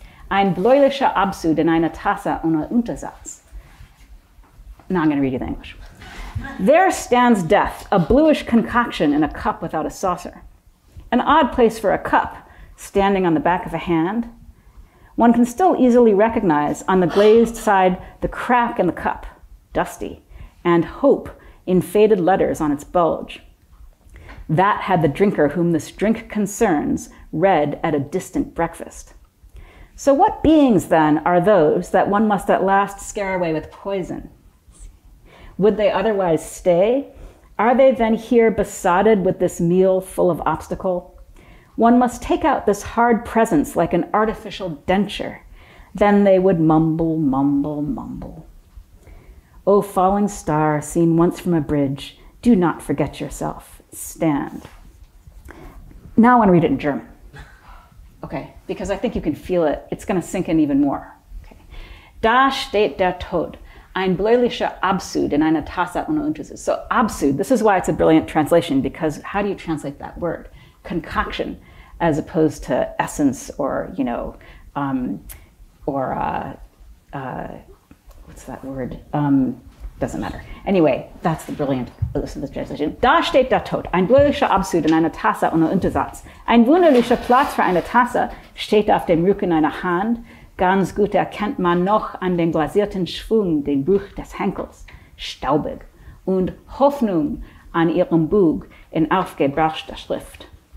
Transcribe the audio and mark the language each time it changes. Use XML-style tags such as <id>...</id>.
<de>Ein bläulicher Absud in einer Tasse ohne Untersatz.</de> <en>Now I'm going to read you the English. There stands death, a bluish concoction in a cup without a saucer. An odd place for a cup, standing on the back of a hand. One can still easily recognize on the glazed side the crack in the cup, dusty, and hope in faded letters on its bulge. That had the drinker whom this drink concerns read at a distant breakfast. So what beings then are those that one must at last scare away with poison? Would they otherwise stay? Are they then here besotted with this meal full of obstacle? One must take out this hard presence like an artificial denture. Then they would mumble, mumble, mumble. O falling star seen once from a bridge, do not forget yourself. Stand. Now I want to read it in German. Okay, because I think you can feel it. It's going to sink in even more. Okay.</en> <de>Da steht der Tod. Ein bläulicher Absud in einer Tasse ohne Untersatz.</de> <en>So Absud, this is why it's a brilliant translation, because how do you translate that word? Concoction, as opposed to essence, or, you know, what's that word? Doesn't matter. Anyway, that's the brilliant list of the translation.</en> <de>Da steht der Tod, ein bläulicher Absud in einer Tasse ohne Untersatz. Ein wunderlicher Platz für eine Tasse steht auf dem Rücken einer Hand. Ganz gut erkennt man noch an dem glasierten Schwung den Bruch des Henkels, staubig, und Hoffnung an ihrem Bug in aufgebrachter Schrift.</de>